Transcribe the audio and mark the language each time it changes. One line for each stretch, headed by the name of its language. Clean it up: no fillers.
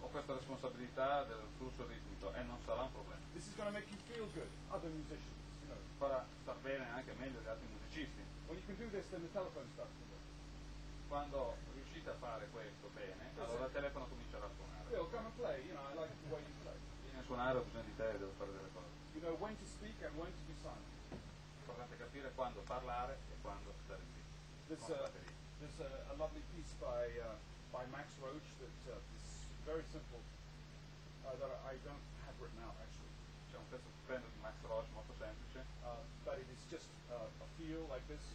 Italian: Ho questa responsabilità del flusso ritmico e non sarà un problema.
English: This is going to make you feel good, other musicians.
Italian: Farà star bene anche meglio gli altri musicisti.
English: When you can do this, then the telephone starts to work.
Italian: Quando riuscite a fare questo bene, allora il telefono comincerà a suonare.
English: Come play, you know, I like the way you play.
Italian: Vieni a suonare ho bisogno di te, devo fare delle cose.
English: You know when to speak and when to be silent.
Italian: Importante capire quando parlare e quando stare zitti.
English: There's a lovely piece by Max Roach that is very simple that I don't have written out actually.
Italian: C'è un pezzo stupendo di Max Roach molto semplice.
English: But it is just a feel like this.